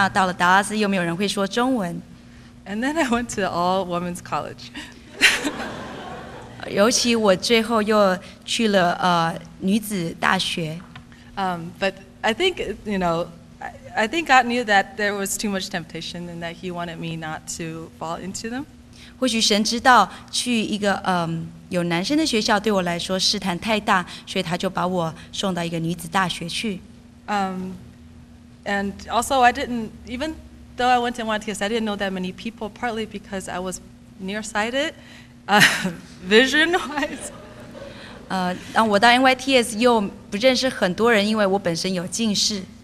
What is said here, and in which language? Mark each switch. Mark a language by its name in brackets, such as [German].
[Chinese] 所以我来美国之后，我又不会说英文，那到了达拉斯又没有人会说中文。 [English] And then I went to all women's college. [Chinese] 尤其我最后又去了女子大学。 [English] But I think, you know, I think God knew that there was too much temptation and that he wanted me not to fall into them. [Chinese] 或许神知道去一个有男生的学校对我来说试探太大，所以他就把我送到一个女子大学去。 [English] And also I didn't, even though I went to NYTS, I didn't know that many people, partly because I was nearsighted, vision-wise. [Chinese] 我到 NYTS又不认识很多人，因为我本身有近视。